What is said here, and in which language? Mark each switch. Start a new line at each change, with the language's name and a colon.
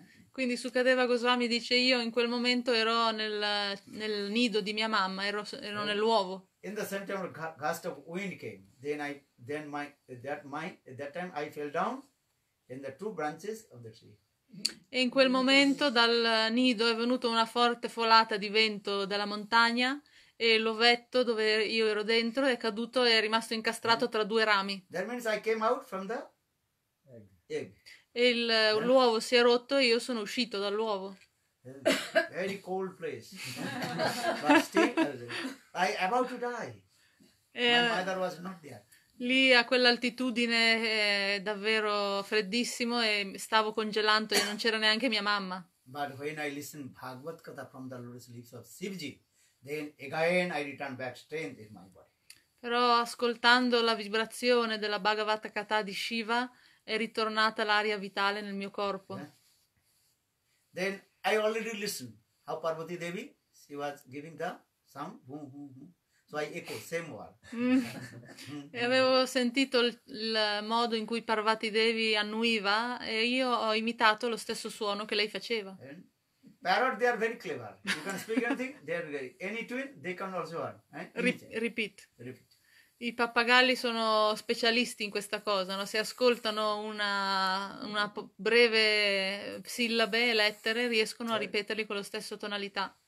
Italian: Quindi Sukadeva Goswami dice, io in quel momento ero nel nido di mia mamma, ero nell'uovo.
English: In the center of a gust of wind came. Then at that time I fell down in the two branches of the tree.
Italian: E in quel momento dal nido è venuta una forte folata di vento dalla montagna e l'ovetto dove io ero dentro è caduto e è rimasto incastrato tra due rami.
English: That means I came out from the egg.
Italian: E l'uovo si è rotto e io sono uscito dall'uovo.
English: Very cold place. But still, I about to die. My mother was not there.
Italian: Lì a quell'altitudine davvero freddissimo e stavo congelando e non c'era neanche mia mamma.
English: But when I listen Bhagavat Katha from the lotus leaves of Shivji, then again I return back strength in my body.
Italian: Però ascoltando la vibrazione della Bhagavata Katha di Shiva è ritornata l'aria vitale nel mio corpo.
English: Yeah. Then I already listened how Parvati Devi, she was giving the sound, so I echo, same word.
Italian: E avevo sentito il modo in cui Parvati Devi annuiva e io ho imitato lo stesso suono che lei faceva.
English: Parrot, they are very clever. You can speak anything, they are very, any twin, they can also learn. Repeat.
Italian: I pappagalli sono specialisti in questa cosa, no? Se ascoltano una breve sillabe, lettere, riescono a ripeterli con lo stesso tonalità.